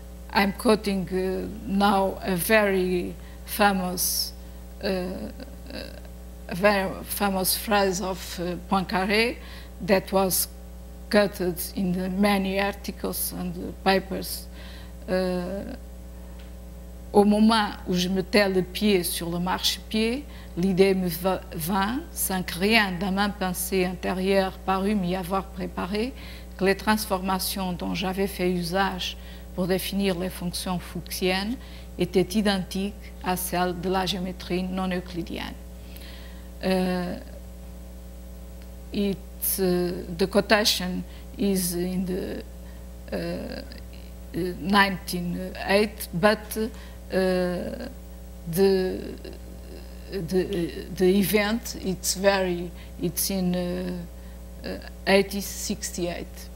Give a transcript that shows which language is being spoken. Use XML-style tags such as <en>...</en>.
<en>I'm quoting now a very famous phrase of Poincaré that was quoted in the many articles and papers.</en> <fr>Au moment où je mettais le pied sur le marchepied, l'idée me vint, sans que rien dans ma pensée intérieure parût m'y avoir préparé, que les transformations dont j'avais fait usage pour définir les fonctions fuchsiennes étaient identiques à celles de la géométrie non euclidienne.</fr> <en>The quotation is in the 1908, but the event it's in 1868.</en>